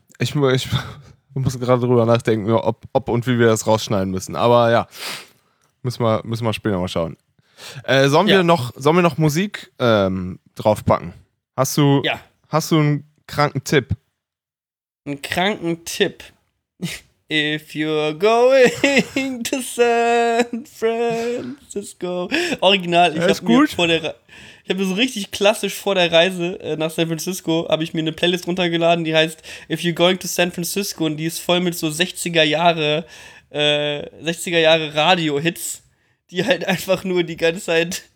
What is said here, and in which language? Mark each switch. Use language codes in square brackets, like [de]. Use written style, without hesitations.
[de] Ich muss gerade drüber nachdenken, ob und wie wir das rausschneiden müssen. Aber ja. Müssen wir später mal schauen. Sollen wir noch Musik draufpacken? Hast du einen kranken Tipp? Einen kranken Tipp? [en] If you're going to San Francisco. [de] Original, ich habe mir so richtig klassisch vor der Reise nach San Francisco, habe ich mir eine Playlist runtergeladen, die heißt If you're going to San Francisco und die ist voll mit so 60er Jahre Radio-Hits. Die halt einfach nur die ganze Zeit.